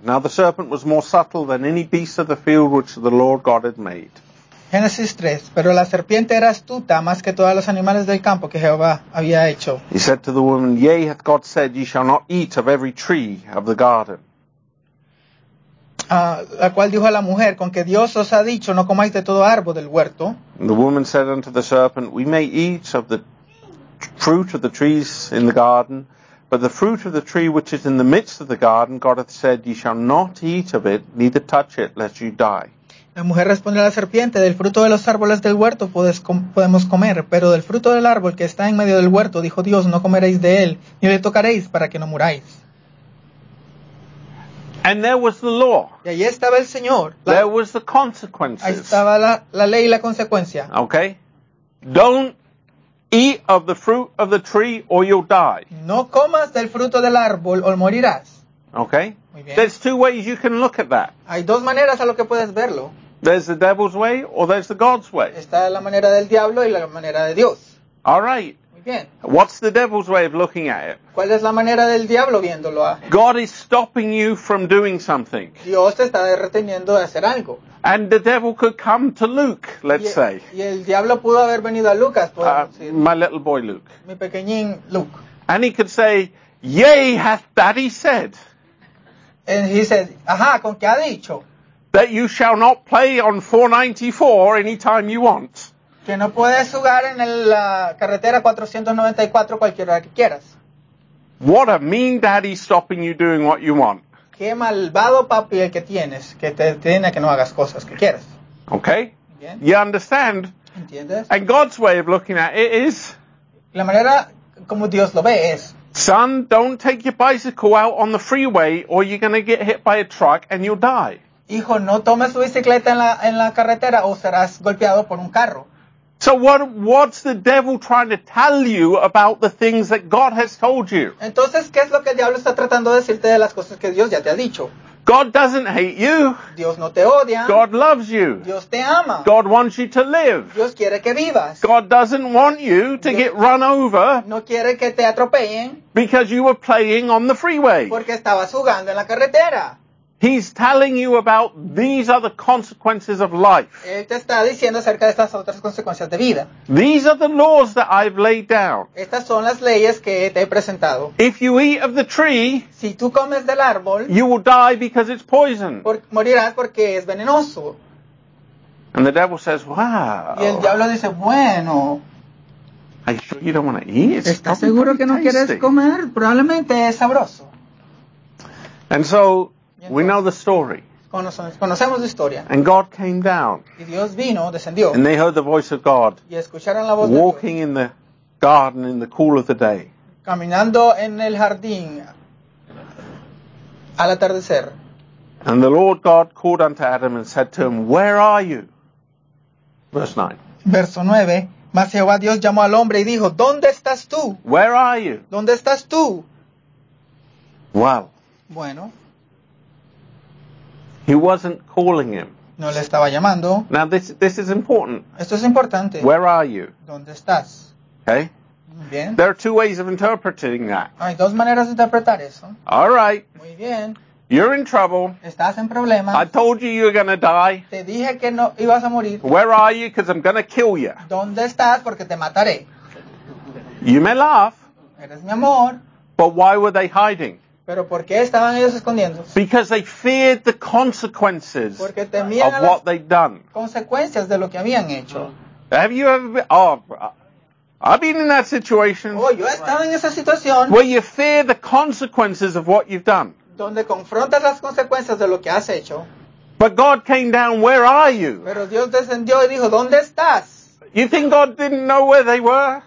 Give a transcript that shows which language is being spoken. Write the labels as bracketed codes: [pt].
[en] Now the serpent was more subtle than any beast of the field which the Lord God had made. [es] Génesis 3. Pero la serpiente era astuta más que todos los animales del campo que Jehová había hecho. [en] He said to the woman, Yea, hath God said, ye shall not eat of every tree of the garden. [es] La cual dijo a la mujer, con que Dios os ha dicho, no comáis de todo árbol del huerto. [en] And the woman said unto the serpent, We may eat of the fruit of the trees in the garden, but the fruit of the tree which is in the midst of the garden, God hath said, ye shall not eat of it, neither touch it, lest you die. [es] La mujer respondió a la serpiente, del fruto de los árboles del huerto podemos comer, pero del fruto del árbol que está en medio del huerto, dijo Dios, no comeréis de él, ni le tocaréis para que no muráis. [en] And there was the law. [es] Y ahí estaba el Señor. [en] There was the consequences. [es] Ahí estaba la ley y la consecuencia. [en] Okay. Don't eat of the fruit of the tree or you'll die. [es] No comas del fruto del árbol o morirás. [en] Okay. [es] Muy bien. [en] There's two ways you can look at that. [es] Hay dos maneras a lo que puedes verlo. [en] There's the devil's way or there's the God's way. [es] Está la manera del diablo y la manera de Dios. [en] All right. [es] Bien. [en] What's the devil's way of looking at it? [es] ¿Cuál es la manera del diablo viéndolo? [en] God is stopping you from doing something. [es] Dios te está reteniendo de hacer algo. [en] And the devil could come to Luke, let's say. [es] Y el diablo pudo haber venido a Lucas, podemos decir. [en] My little boy Luke. [es] Mi pequeñín Luke. [en] And he could say, Yea, hath daddy said. And he said, [es] ajá, ¿con qué ha dicho? [en] That you shall not play on 494 anytime you want. [es] Que no puedes jugar en la carretera 494 cualquier hora que quieras. [en] What a mean daddy stopping you doing what you want. [es] Qué malvado papi el que tienes, que te tiene que no hagas cosas que quieras. [en] Okay. [es] Bien. [en] You understand? [es] ¿Entiendes? [en] And God's way of looking at it is... [es] La manera como Dios lo ve es... [en] Son, don't take your bicycle out on the freeway or you're going to get hit by a truck and you'll die. [es] Hijo, no tomes tu bicicleta en la carretera o serás golpeado por un carro. [en] So what's the devil trying to tell you about the things that God has told you? [es] Entonces, ¿qué es lo que el diablo está tratando de decirte de las cosas que Dios ya te ha dicho? [en] God doesn't hate you. [es] Dios no te odia. [en] God loves you. [es] Dios te ama. [en] God wants you to live. [es] Dios quiere que vivas. [en] God doesn't want you to Dios get run over. [es] No quiere que te atropellen. [en] Because you were playing on the freeway. [es] Porque estabas jugando en la carretera. [en] He's telling you about these are the consequences of life. [es] Él te está diciendo acerca de estas otras consecuencias de vida. [en] These are the laws that I've laid down. [es] Estas son las leyes que te he presentado. [en] If you eat of the tree, [es] si tú comes del árbol, [en] you will die because it's poison. [es] Morirás porque es venenoso. [en] And the devil says, wow. [es] Y el diablo dice, bueno. [en] Are you sure you don't want to eat? It's [es] ¿estás seguro que no [en] tasty. [es] Quieres comer? Probablemente es sabroso. [en] And so... We know the story. [es] Conocemos la historia. [en] And God came down. [es] Y Dios vino, descendió. [en] And they heard the voice of God. [es] Y escucharon la voz [en] walking [es] de Dios. [en] In the garden in the cool of the day. [es] Caminando en el jardín al atardecer. [en] And the Lord God called unto Adam and said to him, Where are you? Verse 9. [es] Verso 9. Mas Jehová Dios llamó al hombre y dijo, ¿Dónde estás tú? [en] Where are you? [es] ¿Dónde estás tú? [en] Wow. [es] Bueno. [en] He wasn't calling him. [es] No le estaba llamando. [en] Now this is important. [es] Esto es importante. [en] Where are you? [es] ¿Dónde estás? [en] Okay. [es] Bien. [en] There are two ways of interpreting that. [es] Hay dos maneras de interpretar eso. [en] All right. [es] Muy bien. [en] You're in trouble. [es] Estás en problemas. [en] I told you you were going to die. [es] Te dije que no ibas a morir. [en] Where are you? Because I'm going to kill you. [es] ¿Dónde estás? Porque te mataré. [en] You may laugh. [es] Eres mi amor. [en] But why were they hiding? [es] ¿Pero por qué estaban ellos escondiéndose? [en] Because they feared the consequences of what they'd done. [es] Consecuencias de lo que habían hecho. [en] Have you ever been, oh, I've been in that situation. [es] Oh, yo he estado en esa situación. [en] Where you fear the consequences of what you've done. [es] Donde confrontas las consecuencias de lo que has hecho. [en] But God came down, where are you? [es] Pero Dios descendió y dijo, ¿dónde estás? [en] You think God didn't know where they were?